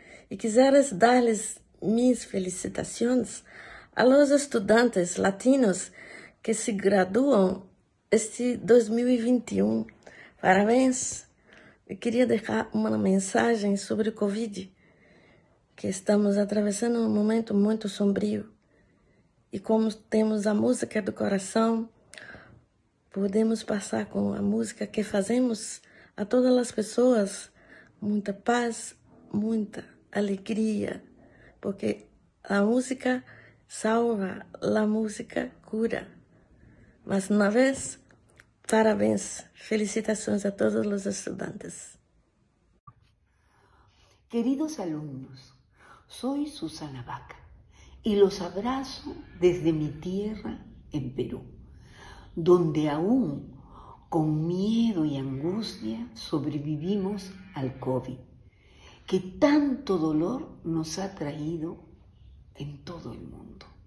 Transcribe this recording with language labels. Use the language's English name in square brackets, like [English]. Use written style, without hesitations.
[Spanish] E quisiera darles mis felicitaciones a los estudiantes latinos que se gradúan este 2021. [Portuguese] Parabéns. Eu queria deixar uma mensagem sobre o Covid, que estamos atravessando um momento muito sombrio. E como temos a música do coração, podemos passar com a música que fazemos a todas as pessoas muita paz, muita alegria, porque a música salva, a música cura. Mas uma vez, parabéns, felicitações a todos os estudantes. [Spanish] Queridos alumnos, soy Susana Vaca y los abrazo desde mi tierra en Perú, donde aún con miedo y angustia sobrevivimos al COVID, que tanto dolor nos ha traído en todo el mundo.